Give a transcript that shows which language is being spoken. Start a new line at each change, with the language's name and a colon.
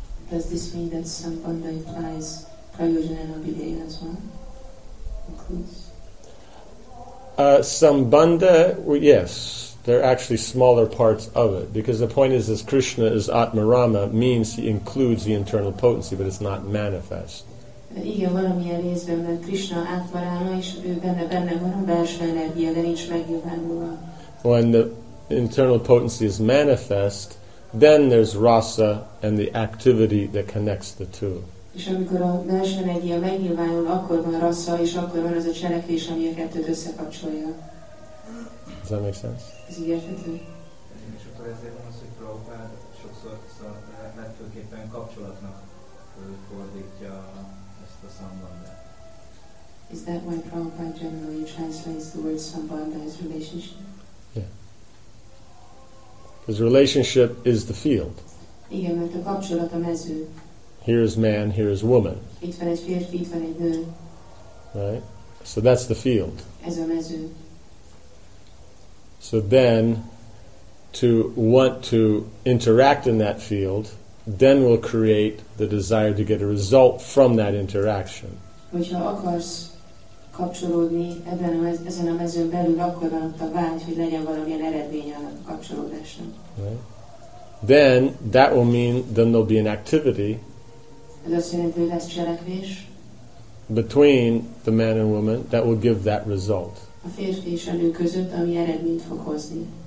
English: Does this mean that sambandha implies prayojana and abhideya as well? Sambandha, well, yes. They're actually smaller parts of it. Because the point is, this Krishna is Atmarama means he includes the internal potency, but it's not manifest.
Hungarian: Igen, valamilyen részben, mert Krishna Atmarama, és ő benne van a belső energia, de nincs megnyilvánulva.
English: When the internal potency is manifest, then there's rasa and the activity that connects the two.
Hungarian: És amikor a belső energia megnyilvánul, akkor van rasa, és akkor van az a cselekvés, ami a kettőt összekapcsolja.
English: Does that make sense?
Hungarian: Ez így érthető? És akkor ezért van az, hogy Prabhupád sokszor legfőképpen kapcsolatnak fordítja ezt a sambandát.
English: Is that why Prabhupád generally translates the word sambandha as relationship? His relationship is the field.
Hungarian: Igen, mert a kapcsolat a mező.
English: Here is man, here is woman.
Hungarian: Itt van egy férfi, itt van egy nő.
English: Right? So that's the field.
Hungarian: Ez a mező.
English: So then, to want to interact in that field, then will create the desire to get a result from that interaction.
Hungarian: Hogyha akarsz kapcsolódni ezen a mezőn belül, akkor van ott a vágy, hogy legyen valamilyen eredmény a kapcsolódáson.
English: Then that will mean then there'll be an activity.
Hungarian: Ez azt jelenti, hogy lesz cselekvés.
English: Between the man and woman, that will give that result.
Hungarian: A férfi és a nő között, ami eredményt fog hozni.